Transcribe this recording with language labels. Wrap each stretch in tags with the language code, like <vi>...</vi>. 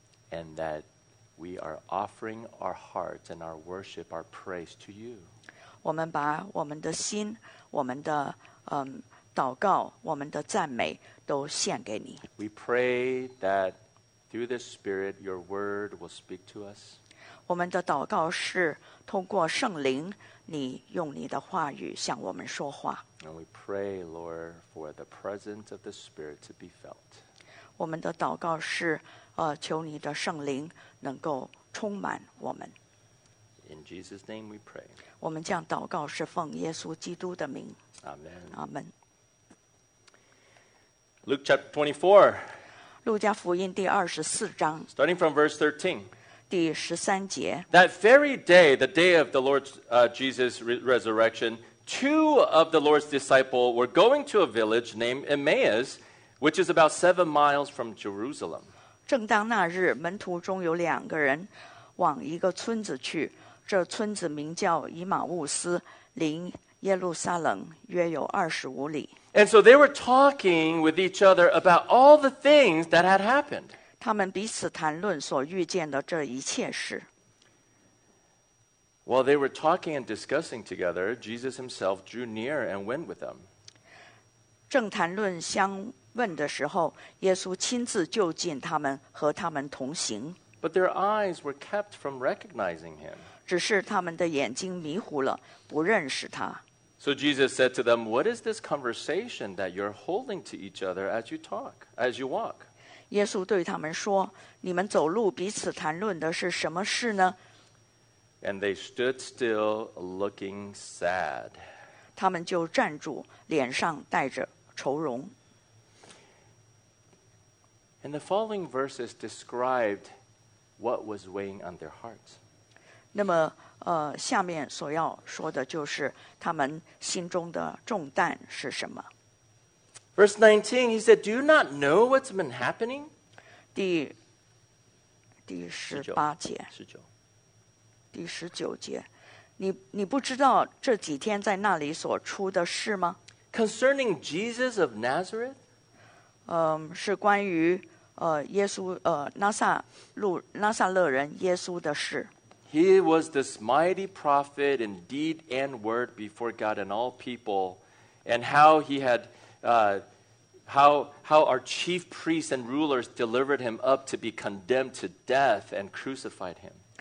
<en>And that we are offering our hearts and our worship, our praise to you.</en> <zh>我们把我们的心，我们的祷告，我们的赞美都献给你。</zh> <en>We pray that through the Spirit, your word will speak to us.</en> <zh>我们的祷告是通过圣灵，你用你的话语向我们说话。</zh> <en>And we pray, Lord, for the presence of the Spirit to be felt.</en> <zh>我们的祷告是求你的圣灵能够充满我们。</zh> <en>In Jesus' name we pray.</en> <zh>我们将祷告是奉耶稣基督的名。</zh> <en>Amen. Amen. Luke chapter 24.</en> <zh>路加福音第二十四章。</zh> <en>Starting from verse 13.</en> <zh>第十三节。</zh> <en>That very day, the day of the Lord Jesus' resurrection, two of the Lord's disciples were going to a village named Emmaus, which is about 7 miles from Jerusalem.</en> <zh>正当那日，门徒中有两个人往一个村子去，这村子名叫以马忤斯，离耶路撒冷约有25里。</zh> <en>And so they were talking with each other about all the things that had happened.</en> <zh>他们彼此谈论所遇见的这一切事。</zh> <en>While they were talking and discussing together, Jesus himself drew near and went with them.</en> <zh>正谈论相问的时候，耶稣亲自就近他们，和他们同行。</zh> <en>But their eyes were kept from recognizing him.</en> <zh>只是他们的眼睛迷糊了，不认识他。</zh> <en>So Jesus said to them, "What is this conversation that you're holding to each other as you walk?"</en> <zh>耶稣对他们说，你们走路彼此谈论的是什么事呢？</zh> <en>And they stood still, looking sad.</en> <zh>他们就站住，脸上带着愁容。</zh> <en>And the following verses described what was weighing on their hearts.</en> <zh>那么下面所要说的就是他们心中的重担是什么。</zh> <en>Verse 19, he said, do you not know what's been happening?</en> <zh>第十九节，你不知道这几天在那里所出的事吗？</zh> <en>Concerning Jesus of Nazareth?</en> <zh>是关于耶稣，纳撒勒人耶稣的事。</zh> <en>He was this mighty prophet in deed and word before God and all people, and how he had, how our chief priests and rulers delivered him up to be condemned to death and crucified him.</en>